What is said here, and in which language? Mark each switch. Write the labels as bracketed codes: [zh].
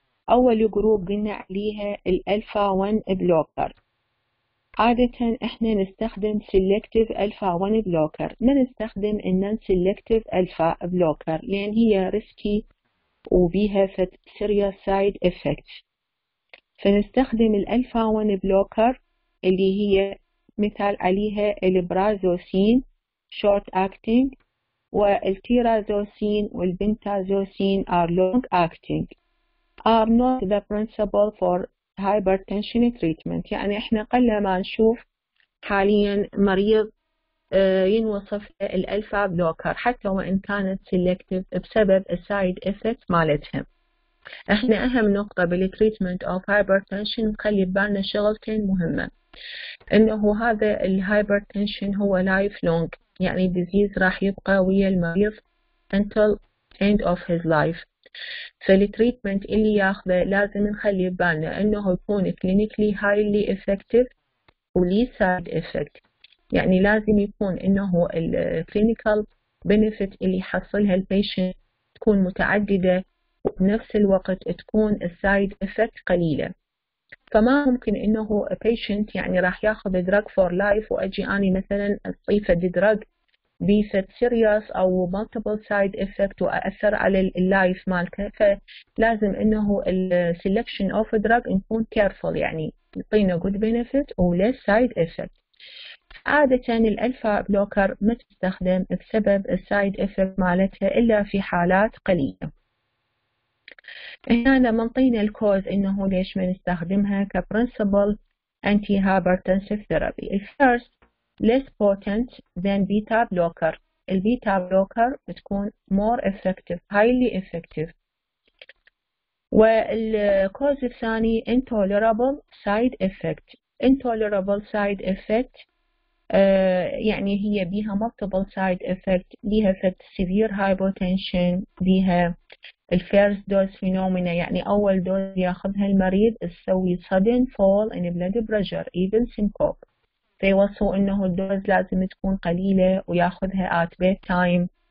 [ar] أول جروب قلنا عليها الألفا 1 بلوكر. عادة إحنا نستخدم سيلكتيف ألفا 1 بلوكر، ما نستخدم النون سيلكتيف ألفا بلوكر لأن هي ريسكي وبيها فت سيريوس سايد إفكت. فنستخدم الألفا 1 بلوكر اللي هي مثال عليها البرازوسين [en] short acting [ar] والتيرازوسين والبنتازوسين [en] are long acting are not the principle for hypertension treatment. [ar] يعني احنا قلنا ما نشوف حاليا مريض ينوصف الالفا بلوكر حتى وان كانت selective بسبب side effects مالتهم. احنا اهم نقطة بالتريتمنت of hypertension نخلي ببالنا شغلتين مهمة، انه هذا الهايبرتنشن هو لايف لونج، يعني ديزيز راح يبقى ويا المريض [en] until end of his life. [ar] فالتريتمنت اللي ياخذه لازم نخلي ببالنا انه يكون كلينيكلي هايلي افكتيف ولي سايد افكت، يعني لازم يكون انه الكلينيكال بنفيت اللي حصلها البيشنت تكون متعدده وبنفس الوقت تكون السايد افكت قليله. فما ممكن انه patient يعني راح ياخذ [en] drug for life [ar] واجي اني مثلا اضيف drug بفت serious او multiple side effect واثر على اللايف مالته. فلازم انه ال selection of a drug نكون careful، يعني يعطينا [en] good benefit [ar] و less side effect. عادة الالفا بلوكر ما تستخدم بسبب side effect مالتها الا في حالات قليلة. هنا منطينا الكوز انه ليش ما نستخدمها كبرنسبل انتي هايبرتنسيف ثيرابي. [en] الفيرست less potent than beta blocker. البيتا blocker بتكون مور افكتيف هايلي افكتيف. والكوز الثاني انتوليرابل سايد افكت. [ar] انتوليرابل سايد افكت يعني هي بيها مالتيبل سايد افكت، بيها فت سيفير هايبوتنشن، بيها الفيرست دوز فينومينا يعني اول دوز ياخذها المريض تسوي سادن فول ان بلاد بريشر ايفن سينكوب، فيوصوا انه الدوز لازم تكون قليله وياخذها ات بيت تايم،